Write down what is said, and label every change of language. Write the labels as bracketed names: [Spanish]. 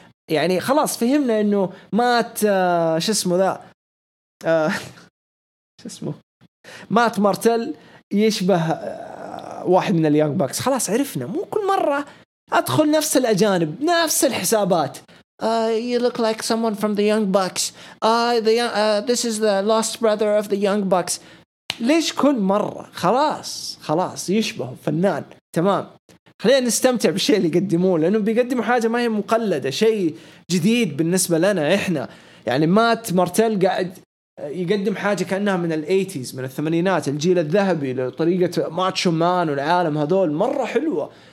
[Arabic] يعني خلاص فهمنا أنه مات شو اسمه ذا شو اسمه مات مارتل يشبه واحد من اليانج باكس، خلاص عرفنا. مو كل مرة أدخل نفس الأجانب نفس الحسابات. [English] You look like someone from the young bucks. This is the lost brother of the young bucks. [Arabic] ليش كل مرة؟ خلاص يشبه فنان تمام. خلينا نستمتع بالشيء اللي يقدموه، لأنه بيقدموا حاجة ما هي مقلدة، شيء جديد بالنسبة لنا إحنا. يعني مات مارتل قاعد يقدم حاجة كأنها من الـ80s من الثمانينات، الجيل الذهبي لطريقة ماتشو مان والعالم هذول، مرة حلوة.